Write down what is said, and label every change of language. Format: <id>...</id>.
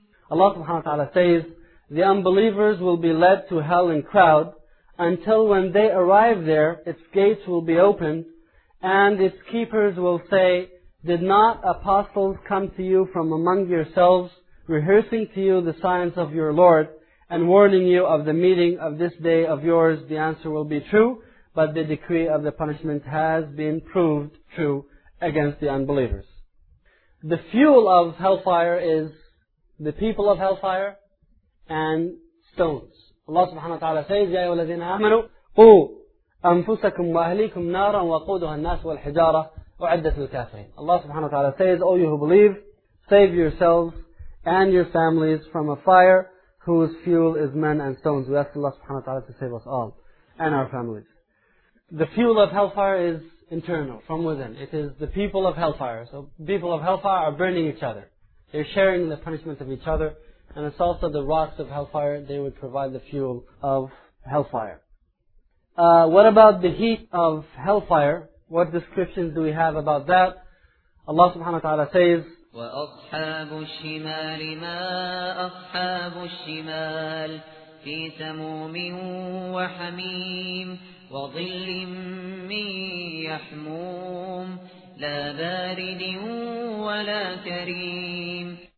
<en>Allah subhanahu wa ta'ala says, the unbelievers will be led to hell in crowd until when they arrive there, its gates will be opened and its keepers will say, did not apostles come to you from among yourselves rehearsing to you the signs of your Lord and warning you of the meeting of this day of yours? The answer will be true, but the decree of the punishment has been proved true against the unbelievers. The fuel of hellfire is the people of hellfire and stones.</en> <ar>Allah subhanahu wa ta'ala says, يَا أَيُّهَا الَّذِينَ آمَنُوا قُوا أَنفُسَكُمْ وَأَهْلِيكُمْ نَارًا وَقُودُهَا النَّاسُ وَالْحِجَارَةُ أُعِدَّتْ لِلْكَافِرِينَ.</ar> <en>Allah subhanahu wa ta'ala says, O you who believe, save yourselves and your families from a fire whose fuel is men and stones. We ask Allah subhanahu wa ta'ala to save us all and our families. The fuel of hellfire is internal, from within. It is the people of hellfire. So people of hellfire are burning each other. They're sharing the punishment of each other. And it's also the rocks of hellfire. They would provide the fuel of hellfire. What about the heat of hellfire? What descriptions do we have about that? Allah subhanahu wa ta'ala says,</en> <ar>وأصحاب الشمال ما أصحاب الشمال في سموم وحميم وظل من يحموم لا بارد ولا كريم.</ar>